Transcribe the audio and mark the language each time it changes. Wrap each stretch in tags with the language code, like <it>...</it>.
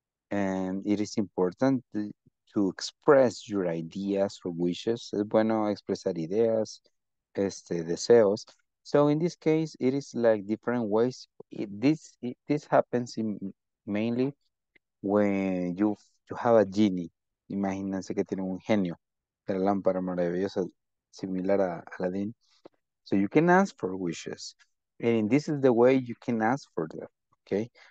<en>And it is important to express your ideas or wishes.</en> <es>Es bueno expresar ideas, deseos.</es> <en>So in this case, it is like different ways. This happens mainly when you have a genie.</en> <es>Imagínense que tiene un genio, la lámpara maravillosa, similar a Aladdin.</es> <en>So you can ask for wishes. And this is the way you can ask for them, okay?</en>